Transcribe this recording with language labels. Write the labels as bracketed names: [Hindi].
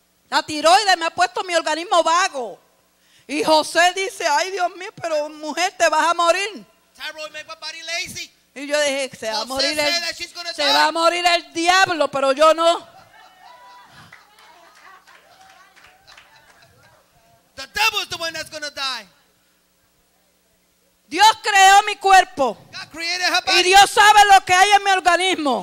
[Spanish] La tiroides me ha puesto mi organismo vago. Y José dice, ay Dios mío, pero mujer, te vas a morir. [English] Thyroid make my body lazy. [Spanish] Y yo dije, se va a morir el diablo, pero yo no. [English] The devil is the one that's gonna die. [Spanish] Dios creó mi cuerpo. [English] God created her body. [Spanish] Y Dios sabe lo que hay en mi organismo.